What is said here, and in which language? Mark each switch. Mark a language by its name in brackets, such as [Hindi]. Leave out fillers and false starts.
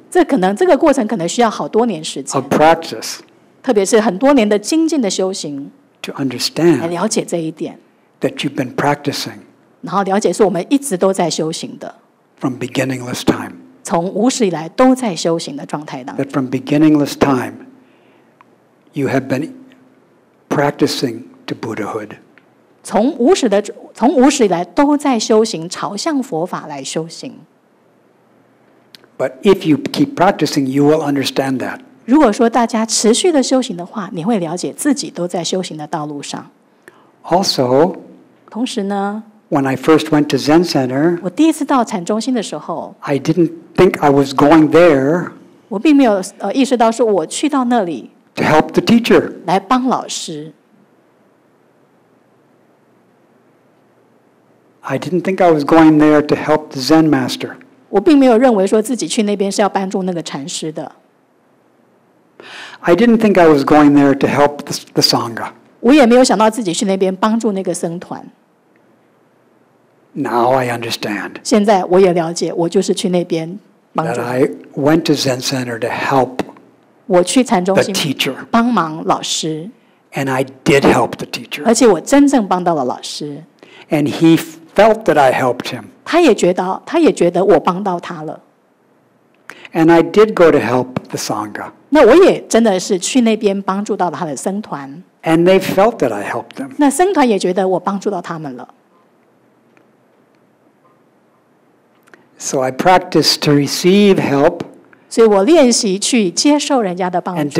[Chinese] 这个过程可能需要好多年时间。 [English] Of practice. [Chinese] 特别是很多年的精进的修行。 [English] To understand. [Chinese] 来了解这一点。 [English] That you've been practicing. [Chinese] 然后了解说我们一直都在修行的。 [English] From beginningless time. [Chinese] 从无始以来都在修行的状态当中。 [English] That from beginningless time, you have been practicing to Buddhahood. [Chinese] 从无始以来都在修行，朝向佛法来修行。 [English] But if you keep practicing, you will understand that. [Chinese] 如果说大家持续的修行的话，你会了解自己都在修行的道路上。 [English] Also, [Chinese] 同时呢 [English] ，When I first went to Zen Center, [Chinese] 我第一次到禅中心的时候 [English] ，I didn't think I was going there. [Chinese] 我并没有意识到说我去到那里。 [English] To help the teacher. [Chinese] 来帮老师。 [English] I didn't think I was going there to help the Zen master. [Chinese] 我并没有认为说自己去那边是要帮助那个禅师的。 [English] I didn't think I was going there to help the sangha. [Chinese] 我也没有想到自己去那边帮助那个僧团。 [English] Now I understand. [Chinese] 现在我也了解，我就是去那边帮助。 [English] That I went to Zen center to help. [Chinese] 我去禅中心 [English] the teacher, [Chinese] 帮忙老师 [English] and I did help the teacher. [Chinese] 而且我真正帮到了老师 [English] and he felt that I helped him. [Chinese] 他也觉得我帮到他了 [English] and I did go to help the sangha. [Chinese] 那我也真的是去那边帮助到了他的僧团 [English] and they felt that I helped them. [Chinese] 那僧团也觉得我帮助到他们了 [English] so I practiced to receive help. [Chinese] 所以我练习去接受人家的帮助